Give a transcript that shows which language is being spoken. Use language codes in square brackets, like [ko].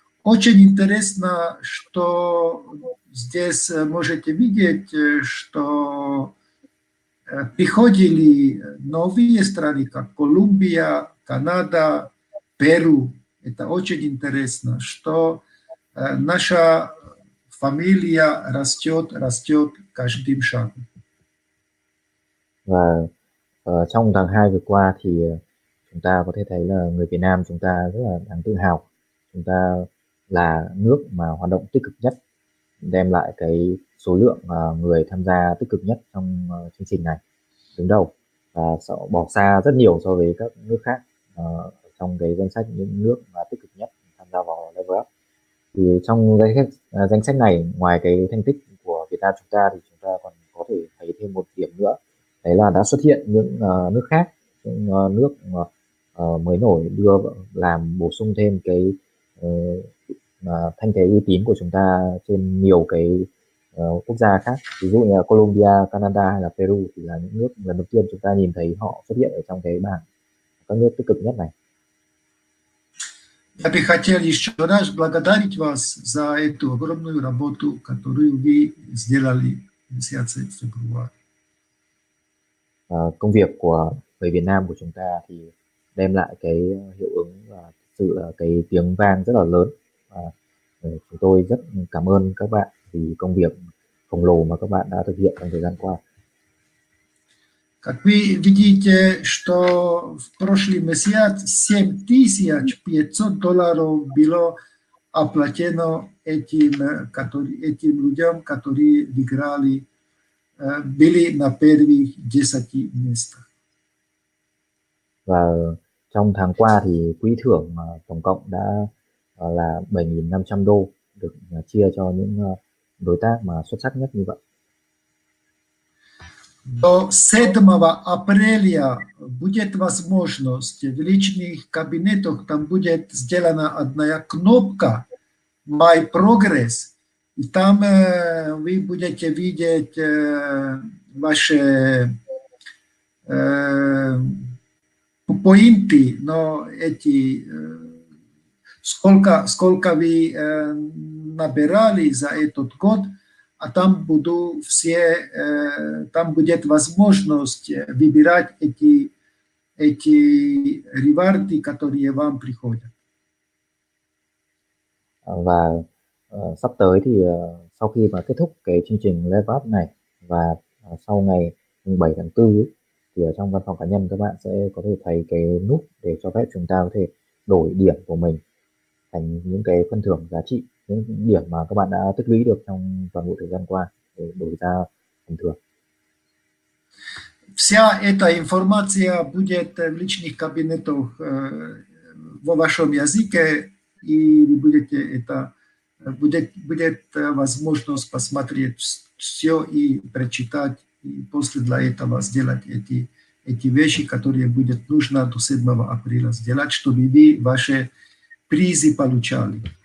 [ru] Очень интересно, что здесь можете видеть, что приходили новые страны, как Колумбия, Канада, Перу. Это очень интересно, что наша фамилия растет каждым шагом. [vi] Và trong tháng 2 vừa qua thì chúng ta có thể thấy là người Việt Nam chúng ta rất là đáng tự hào. Chúng ta là nước mà hoạt động tích cực nhất, đem lại cái số lượng người tham gia tích cực nhất trong chương trình này, đứng đầu. Và bỏ xa rất nhiều so với các nước khác trong cái danh sách những nước mà tích cực nhất tham gia vào Level Up. Thì trong danh sách này, ngoài cái thành tích của Việt Nam chúng ta thì chúng ta còn có thể thấy thêm một điểm nữa. Đấy là đã xuất hiện những nước khác, những nước mới nổi đưa làm bổ sung thêm cái thanh thế uy tín của chúng ta trên nhiều cái quốc gia khác. Ví dụ như là Colombia, Canada hay là Peru thì là những nước lần đầu tiên chúng ta nhìn thấy họ xuất hiện ở trong cái bảng các nước tích cực nhất này. [ru] Я бы хотел еще раз благодарить вас за эту огромную работу, которую вы сделали в месяце февраля. [vi] Công việc của người Việt Nam của chúng ta thì đem lại cái hiệu ứng và thực sự là cái tiếng vang rất là lớn. Và chúng tôi rất cảm ơn các bạn vì công việc khổng lồ mà các bạn đã thực hiện trong thời gian qua. [ru] Как вы видите, что в прошлый месяц 7500 долларов было оплачено этим людям, которые выиграли, были на первых 10 местах. [vi] Và trong tháng qua thì quỹ thưởng tổng cộng đã là 7500 đô được chia cho những đối tác mà xuất sắc nhất như vậy. [ru] До 7 апреля будет возможность в личных кабинетах, там будет сделана одна кнопка My Progress, и там вы будете видеть ваши поинты, но эти сколько вы набирали за этот год. А там буду все, там будет возможность выбирать эти реварды, которые вам приходят. [vi] Và sắp tới thì sau khi mà kết thúc cái chương trình Level Up này và sau ngày 7 tháng 4 thì ở trong văn phòng cá nhân các bạn sẽ có thể thấy cái nút để cho phép chúng ta có thể đổi điểm của mình thành những cái phần thưởng giá trị. Những điểm mà các bạn đã tích lũy được trong toàn bộ thời gian qua để đổi ra phần thưởng. [ru] Вся эта информация будет в личных кабинетах во вашем языке, и вы будете это будет возможность посмотреть все и прочитать, и после для этого сделать эти вещи, которые будет нужно до 7 апреля сделать, чтобы вы ваши призы получали.